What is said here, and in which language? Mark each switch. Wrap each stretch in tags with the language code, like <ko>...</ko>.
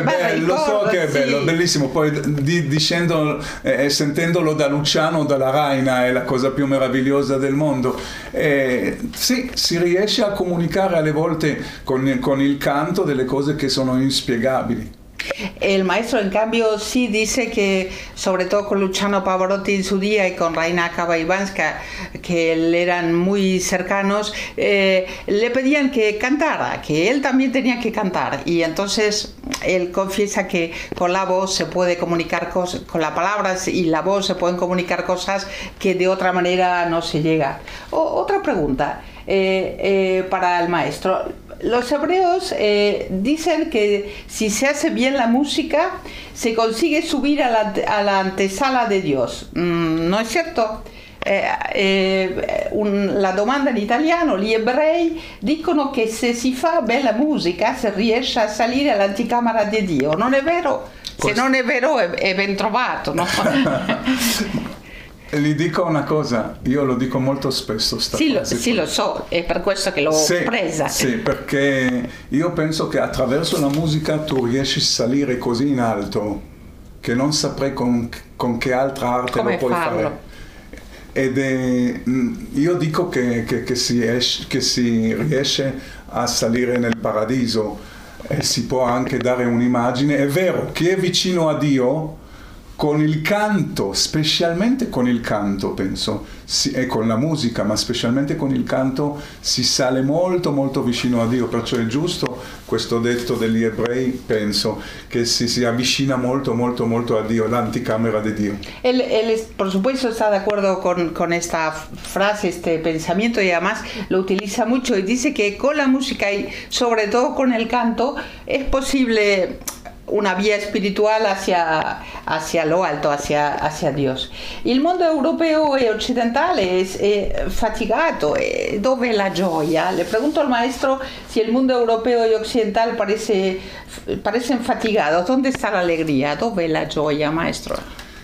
<it>è bello, lo so che è bello, sì. Bellissimo. Poi dicendo e sentendolo da Luciano o dalla Raina è la cosa più meravigliosa del mondo. Sì, si riesce a comunicare alle volte con il canto delle cose che sono inspiegabili.</it> <es>El maestro, en cambio, sí dice que, sobre todo con Luciano Pavarotti en su día y con Raina Kabaivanska, que le eran muy cercanos, le pedían que cantara, que él también tenía que cantar. Y entonces él confiesa que con la voz se puede comunicar cosas, con las palabras y la voz se pueden comunicar cosas que de otra manera no se llega. Otra pregunta para el maestro. Los hebreos dicen que si se hace bien la música, se consigue subir a la antesala de Dios. ¿No es cierto?</es> <it>La domanda in italiano, gli ebrei dicono che se si fa bella musica si riesce a salire all'anticamera di Dio, non è vero? Se non è vero è ben trovato, no? Gli dico una cosa, io lo dico molto spesso lo so, è per questo che l'ho presa. Sì, perché io penso che attraverso la musica tu riesci a salire così in alto che non saprei con che altra arte come lo puoi farlo. Fare. Ed è, io dico che si riesce a salire nel paradiso e si può anche dare un'immagine. È vero, chi è vicino a Dio con il canto, specialmente con il canto, penso, e con la musica, ma specialmente con il canto, si sale molto molto vicino a Dio, perciò è giusto questo detto degli ebrei, penso, che si avvicina molto molto molto a Dio, l'anticamera di Dio.</it> <es>Por supuesto está de acuerdo con esta frase, este pensamiento, y además lo utiliza mucho y dice que con la música y sobre todo con el canto es posible una vía spirituale hacia lo alto, hacia Dios.</es> <it>Il mondo europeo e occidentale è faticato, dove è la gioia?</it> <es>Le pregunto al maestro</es> <it>se il mondo europeo e occidentale parece faticato, dove sta l'allegria, dove è la gioia, maestro?</it>